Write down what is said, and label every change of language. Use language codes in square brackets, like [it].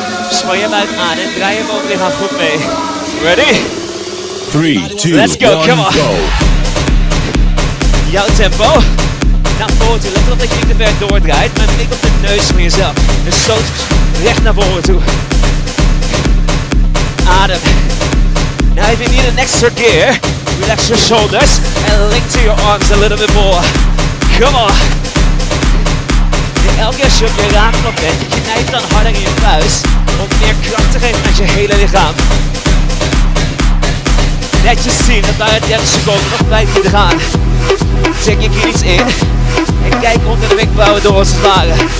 [nl] Span je buik aan en draai je bovenlichaam goed mee. [en] Ready? 3, 2, 1, let's go, one, come on. Go. [nl] Jouw tempo. Naar voren toe. Let op dat je niet te ver doordraait, maar blik op de neus van jezelf. De stoot recht naar voren toe. Adem. [en] Now if you need an extra gear, relax your shoulders and link to your arms a little bit more. Come on. [nl] In elke als je op je raam op bent, knijp dan harder in je vuist om meer kracht te geven aan je hele lichaam. Netjes zien dat daar 30 seconden nog bij moeten gaan. Check je knieën in en kijk onder de wenkbrauwen door als het ware.